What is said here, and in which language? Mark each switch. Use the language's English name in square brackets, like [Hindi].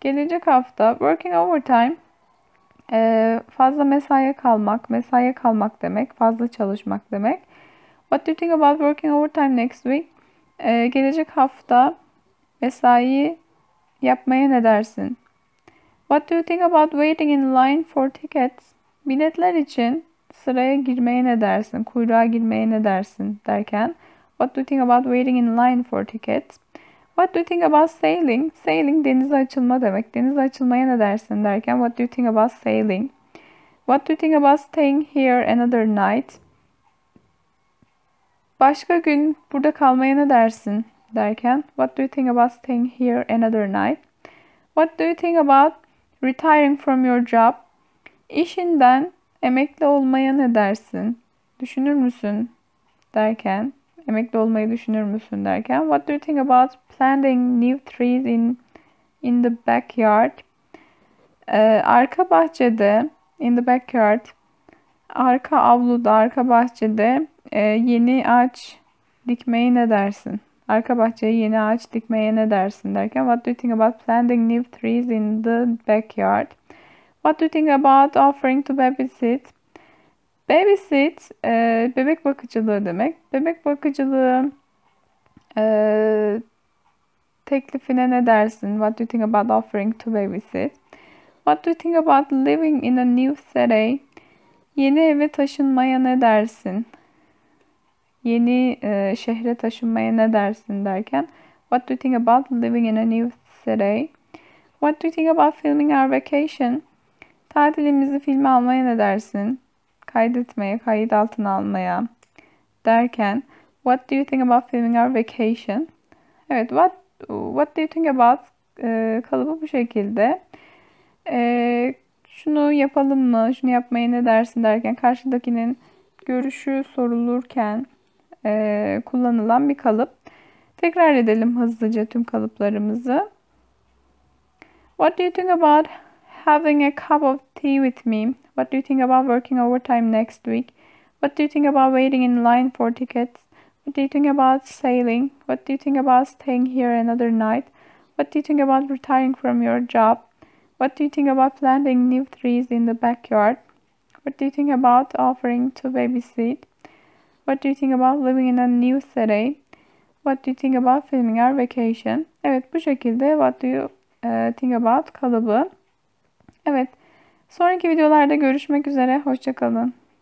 [Turkish] Gelecek hafta [English] working overtime [Turkish] fazla mesaiye kalmak, mesaiye kalmak demek, fazla çalışmak demek. [English] What do you think about working overtime next week? [Turkish] Gelecek hafta mesai yapmaya ne dersin? [English] What do you think about waiting in line for tickets? [Turkish] Biletler için sıraya girmeye ne dersin? Kuyruğa girmeye ne dersin? [English] Derken What do you think about waiting in line for tickets? What do you think about sailing? [Turkish] Sailing denize açılma demek. Denize açılmaya ne dersin? [English] Derken What do you think about sailing? What do you think about staying here another night? [Turkish] Başka gün burada kalmaya ne dersin? [English] Derken What do you think about staying here another night? What do you think about retiring from your job, [Turkish] işinden emekli olmaya ne dersin? Düşünür müsün derken, emekli olmayı düşünür müsün derken, [English] What do you think about planting new trees in the backyard? [Turkish] Arka bahçede, [English] in the backyard, [Turkish] arka avluda, arka bahçede yeni ağaç dikmeyi ne dersin? Arka bahçeye yeni ağaç dikmeye ne dersin derken [English] What do you think about planting new trees in the backyard? What do you think about offering to babysit? [Turkish] Babysit bebek bakıcılığı demek. Bebek bakıcılığı teklifine ne dersin? [English] What do you think about offering to babysit? What do you think about living in a new city? [Turkish] Yeni eve taşınmaya ne dersin? Yeni şehre taşınmaya ne dersin derken [English] What do you think about living in a new city? What do you think about filming our vacation? [Turkish] Tatilimizi filme almaya ne dersin? Kaydetmeye, kayıt altına almaya derken [English] What do you think about filming our vacation? [Turkish] Evet, what do you think about kalıbı bu şekilde. Şunu yapalım mı? Şunu yapmaya ne dersin derken karşıdakinin görüşü sorulurken kullanılan bir kalıp. Tekrar edelim hızlıca tüm kalıplarımızı. [English] What do you think about having a cup of tea with me? What do you think about working overtime next week? What do you think about waiting in line for tickets? What do you think about sailing? What do you think about staying here another night? What do you think about retiring from your job? What do you think about planting new trees in the backyard? What do you think about offering to babysit? What do you think about living in a new city? What do you think about filming our vacation? [Turkish] Evet, bu şekilde What do you think about kalıbı? Evet, sonraki videolarda görüşmek üzere. Hoşça kalın.